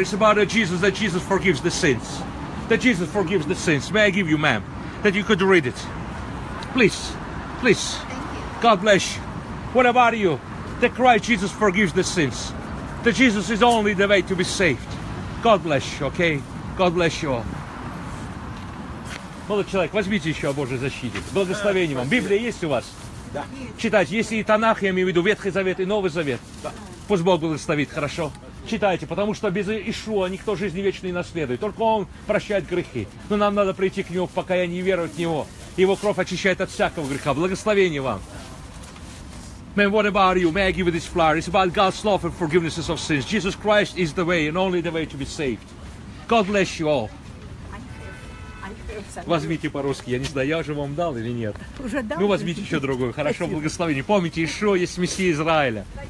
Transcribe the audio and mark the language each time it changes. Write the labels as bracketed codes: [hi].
[en] It's about a Jesus, that Jesus forgives the sins. That Jesus forgives the sins. May I give you, ma'am, that you could read it. Please, please. Thank you. God bless you. What about you? That Christ Jesus forgives the sins. That Jesus is only the way to be saved. God bless you, okay? God bless you all. [ru] Молодой человек, возьмите еще о Божьей защите. Благословение вам. Библия есть у вас? Да. Читайте. Если и Танах, я имею в виду Ветхий Завет и Новый Завет. Да. Пусть Бог благословит, хорошо? Читайте, потому что без Иешуа никто жизни вечной не наследует. Только Он прощает грехи. Но нам надо прийти к Нему в покаянии и веровать в Него. Его кровь очищает от всякого греха. Благословение вам. [en] Man, what about you? May I give you this flower? It's about God's love and forgiveness of sins. Jesus Christ is the way and only the way to be saved. God bless you all. [ru] Возьмите по-русски. Я не знаю, я уже вам дал или нет. Уже дал? Ну, возьмите еще другую. Хорошо, благословение. Помните, Иешуа есть Мессия Израиля.